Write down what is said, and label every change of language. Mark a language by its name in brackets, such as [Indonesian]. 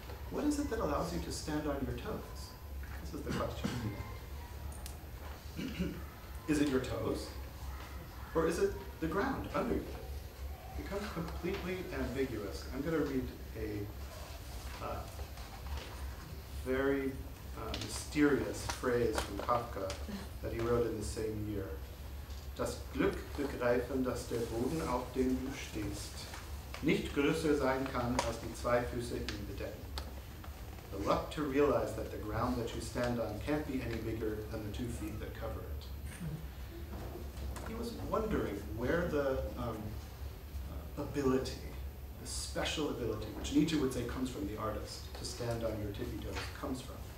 [English] What is it that allows you to stand on your toes? This is the question. Is it your toes? Or is it the ground under you? It becomes completely ambiguous. I'm going to read a very mysterious phrase from Kafka that he wrote in the same year. [German] Das Glück begreifen, dass der Boden, auf dem du stehst, nicht größer sein kann, als die zwei Füße ihn bedecken. [English] The luck to realize that the ground that you stand on can't be any bigger than the 2 feet that cover it. He was wondering where the ability, the special ability, which Nietzsche would say comes from the artist, to stand on your tippy toes, comes from.